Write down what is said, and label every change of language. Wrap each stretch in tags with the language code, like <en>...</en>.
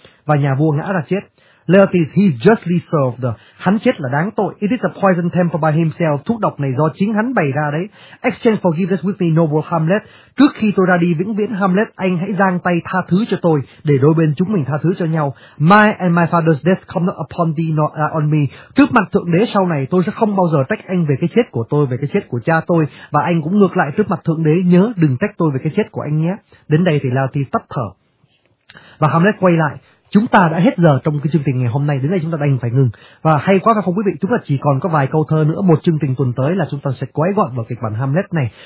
<vi>Và nhà vua ngã ra chết. Laertes:</vi> <en>"He justly served."</en> <vi>Hắn chết là đáng tội.</vi> <en>"It is a poison temper by himself."</en> <vi>Thuốc độc này do chính hắn bày ra đấy.</vi> <en>"Exchange forgiveness with me, noble Hamlet."</en> <vi>Trước khi tôi ra đi vĩnh viễn, Hamlet, anh hãy giang tay tha thứ cho tôi, để đôi bên chúng mình tha thứ cho nhau.</vi> <en>"My and my father's death come not upon thee nor on me."</en> <vi>Trước mặt thượng đế sau này, tôi sẽ không bao giờ trách anh về cái chết của tôi, về cái chết của cha tôi. Và anh cũng ngược lại, trước mặt thượng đế, nhớ đừng trách tôi về cái chết của anh nhé. Đến đây thì Laertes tắt thở. Và Hamlet quay lại: "Chúng ta đã hết giờ trong cái chương trình ngày hôm nay, đến đây chúng ta đành phải ngừng. Và hay quá phải không quý vị, chúng ta chỉ còn có vài câu thơ nữa, một chương trình tuần tới là chúng ta sẽ quay gọn vào kịch bản Hamlet này.</vi>